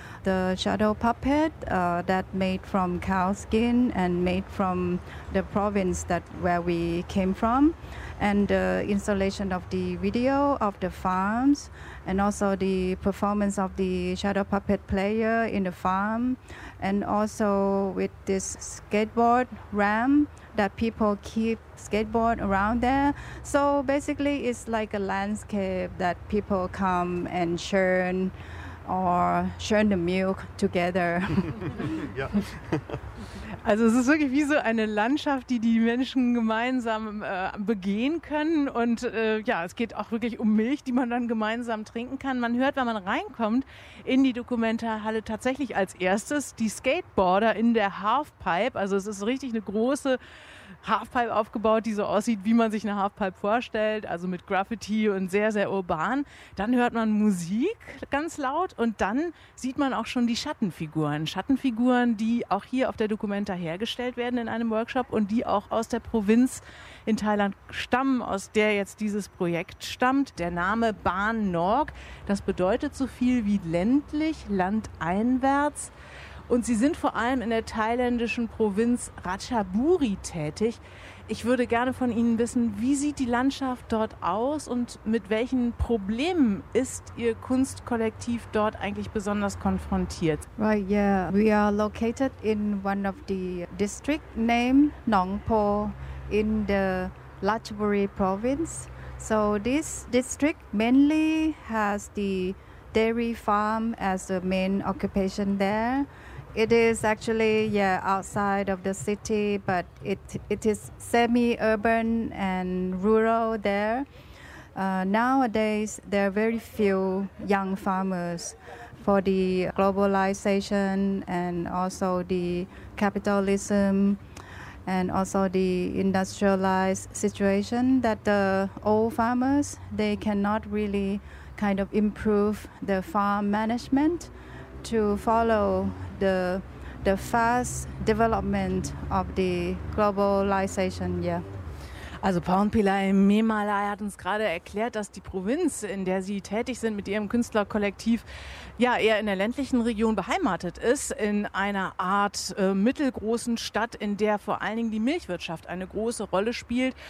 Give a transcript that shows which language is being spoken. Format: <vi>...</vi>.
<en>The shadow puppet that made from cow skin and made from the province that where we came from, and the installation of the video of the farms, and also the performance of the shadow puppet player in the farm, and also with this skateboard ramp that people keep skateboard around there. So basically it's like a landscape that people come and churn or churn the milk together.</en> <de>Also es ist wirklich wie so eine Landschaft, die Menschen gemeinsam begehen können. Und es geht auch wirklich um Milch, die man dann gemeinsam trinken kann. Man hört, wenn man reinkommt in die Dokumentarhalle, tatsächlich als erstes die Skateboarder in der Halfpipe. Also es ist richtig eine große Halfpipe aufgebaut, die so aussieht, wie man sich eine Halfpipe vorstellt. Also mit Graffiti und sehr, sehr urban. Dann hört man Musik ganz laut und dann sieht man auch schon die Schattenfiguren. Schattenfiguren, die auch hier auf der Documenta hergestellt werden in einem Workshop und die auch aus der Provinz in Thailand stammen, aus der jetzt dieses Projekt stammt. Der Name Ban Nork, das bedeutet so viel wie ländlich, landeinwärts. Und Sie sind vor allem in der thailändischen Provinz Ratchaburi tätig. Ich würde gerne von Ihnen wissen, wie sieht die Landschaft dort aus und mit welchen Problemen ist Ihr Kunstkollektiv dort eigentlich besonders konfrontiert?</de> <en>Right, yeah. We are located in one of the district named Nongpo in the Lachburi province. So this district mainly has the dairy farm as the main occupation there. It is actually outside of the city, but it is semi-urban and rural there. Nowadays, there are very few young farmers. For the globalization and also the capitalism and also the industrialized situation, that the old farmers, they cannot really kind of improve the farm management to follow the fast development of the globalization. Yeah.</en> <de>Also Paunpilar im Memalai hat uns gerade erklärt, dass die Provinz, in der sie tätig sind mit ihrem Künstlerkollektiv, ja eher in der ländlichen Region beheimatet ist, in einer Art mittelgroßen Stadt, in der vor allen Dingen die Milchwirtschaft eine große Rolle spielt.</de>